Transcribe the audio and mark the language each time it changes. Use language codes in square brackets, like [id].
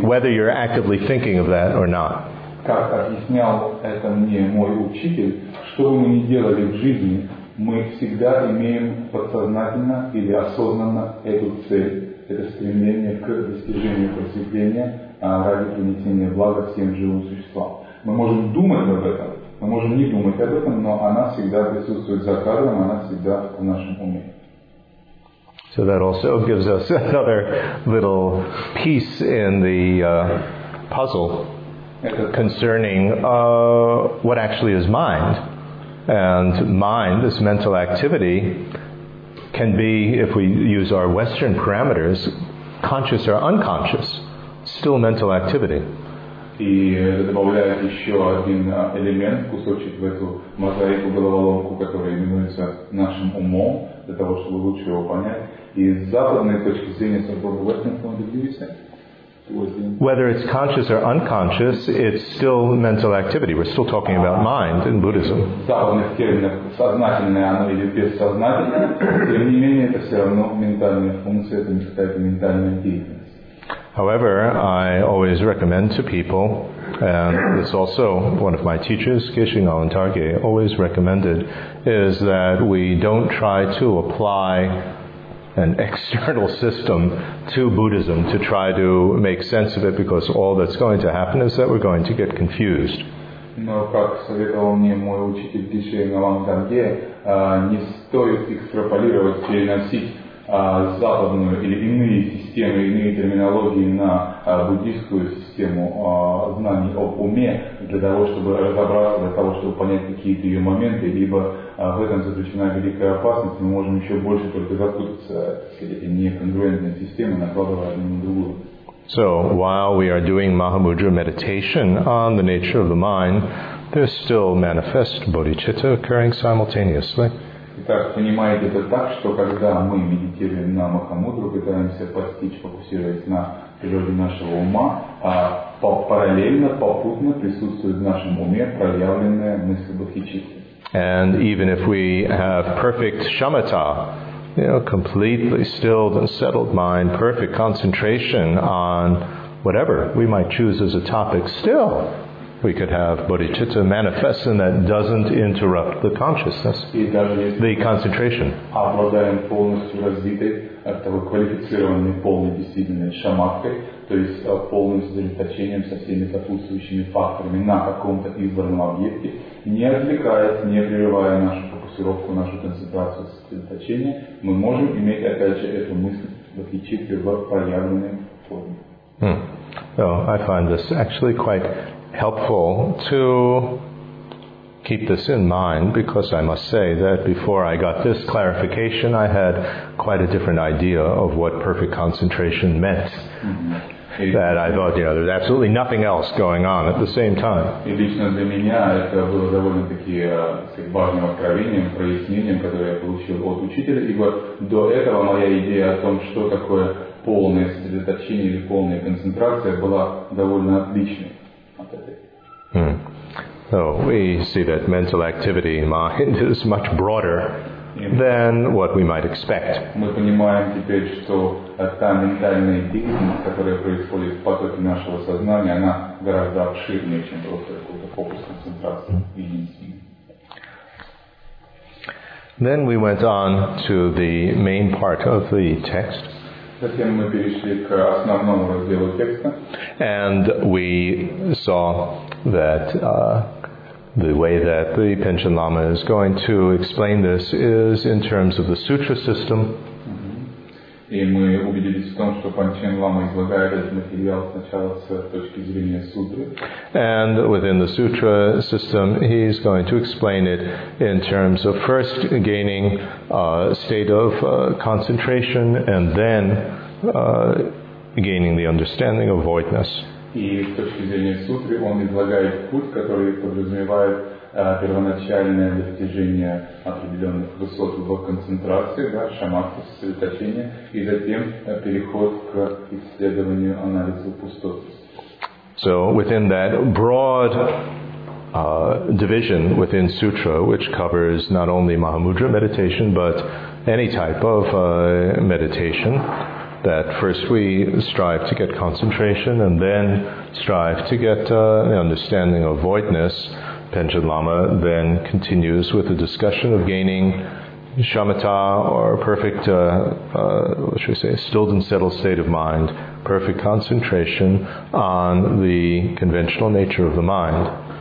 [en] Whether you're actively thinking of that or not. [ru] Как объяснял это мне мой учитель, что бы мы ни делали в жизни, мы всегда имеем подсознательно или осознанно эту цель, это стремление к достижению просветления ради принесения блага всем живым существам. Мы можем думать об этом. Мы можем не думать об этом, но она всегда присутствует за кадром, она всегда в нашем уме. [en] So that also gives us another little piece in the puzzle concerning what actually is mind. And mind, this mental activity, can be, if we use our Western parameters, conscious or unconscious, still mental activity. [ru] И добавляет еще один элемент, кусочек в эту мозаику-головоломку, которая именуется нашим умом, для того, чтобы лучше его понять. И с западной точки зрения, [en] from Western point of view, whether it's conscious or unconscious, it's still mental activity. We're still talking about mind in Buddhism. [ru] В западных терминах сознательное оно или бессознательное, тем не менее, это все равно ментальная функция, это не считается ментальная деятельность. [en] However, I always recommend to people, and it's also one of my teachers, Geshe Nalantarge, always recommended, is that we don't try to apply an external system to Buddhism to try to make sense of it, because all that's going to happen is that we're going to get confused. [ru] Но, как советовал мне мой учитель Геше Нолантарге, не стоит экстраполировать, переносить западную или иные системы, иные терминологии на буддийскую систему знаний об уме для того, чтобы разобраться, для того, чтобы понять какие-то ее моменты, либо в этом заключена великая опасность, мы можем еще больше только запутаться эти неконгруентные системы, накладывая одну на другую. [en] So, while we are doing Mahamudra meditation on the nature of the mind, there's still manifest bodhicitta occurring simultaneously. [ru] Итак, понимаете это так, что когда мы медитируем на Махамудру, пытаемся постичь, фокусируясь на природе нашего ума, параллельно, попутно присутствует в нашем уме проявленная мысль бодхичитты. [en] And even if we have perfect shamatha, you know, completely stilled and settled mind, perfect concentration on whatever we might choose as a topic, still we could have bodhicitta manifest and that doesn't interrupt the consciousness, the concentration. [ru] Обладаем полностью развитой, такой квалифицированной, полной действительно шамадхой, то есть полным сосредоточением со всеми сопутствующими факторами на каком-то избранном объекте, не отвлекая, не прерывая нашу фокусировку, нашу концентрацию сосредоточения, мы можем иметь опять же эту мысль бодхичитты в проявленной форме. [en] So I find this actually quite helpful to keep this in mind, because I must say that before I got this clarification, I had quite a different idea of what perfect concentration meant. Mm-hmm. That I thought, you know, there's absolutely nothing else going on at the same time. [ru] И лично для меня это было довольно-таки важным откровением, прояснением, которое я получил от учителя, ибо до этого моя идея о том, что такое полное сосредоточение или полная концентрация, была довольно отличной от этой. [en] So we see that mental activity, mind, is much broader than what we might expect. [ru] Мы понимаем теперь, что та ментальная деятельность, которая происходит в потоке нашего сознания, она гораздо обширнее, чем просто какой-то фокус концентрации единственный. [en] Then we went on to the main part of the text. [ru] Затем мы перешли к основному разделу текста. [en] And we saw that the way that the Panchen Lama is going to explain this is in terms of the sutra system. [ru] И мы убедились в том, что Панчен Лама излагает этот материал сначала с точки зрения сутры. [en] And within the sutra system, he's going to explain it in terms of first gaining a state of concentration and then gaining the understanding of voidness. [ru] И с точки зрения сутры он излагает путь, который подразумевает первоначальное достижение определенных высот в концентрации, да, шамадхи, сосредоточения, и затем переход к исследованию, анализу пустот. [en] So within that broad division within sutra, which covers not only Mahamudra meditation, but any type of meditation, that first we strive to get concentration and then strive to get the understanding of voidness, Panchen Lama then continues with the discussion of gaining shamatha, or perfect, what should we say, stilled and settled state of mind, perfect concentration on the conventional nature of the mind.